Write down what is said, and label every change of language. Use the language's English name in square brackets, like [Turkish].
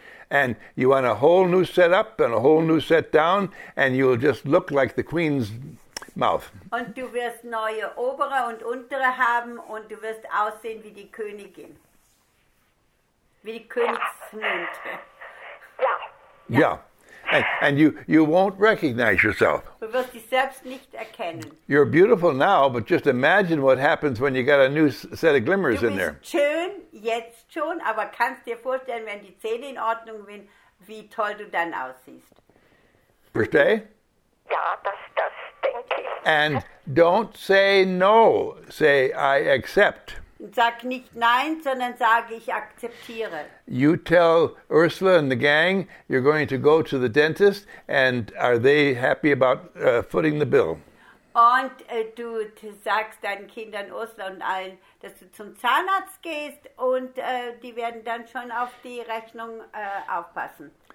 [English] And you want a whole new set up and a whole new set down, and you'll just look like the queen's mouth. [German] Und du wirst neue obere und untere haben, und du wirst aussehen wie die Königin. Wie die Königsmund. Ja. [English] Ja. And you won't recognize yourself. [German] Du wirst dich selbst nicht erkennen. [English] You're beautiful now, but just imagine what happens when you got a new set of glimmers in there. [German] Du bist schön jetzt schon, aber kannst dir vorstellen, wenn die Zähne in Ordnung sind, wie toll du dann aussiehst. Verstehe? Ja, das denke ich. [English] And don't say no. Say, I accept. [German] Sag nicht nein, sondern sage, ich akzeptiere. [English] You tell Ursula and the gang, you're going to go to the dentist, and are they happy about footing the bill? [German] Und du sagst deinen Kindern, Ursula und allen, dass du zum Zahnarzt gehst, und die werden dann schon auf die Rechnung aufpassen.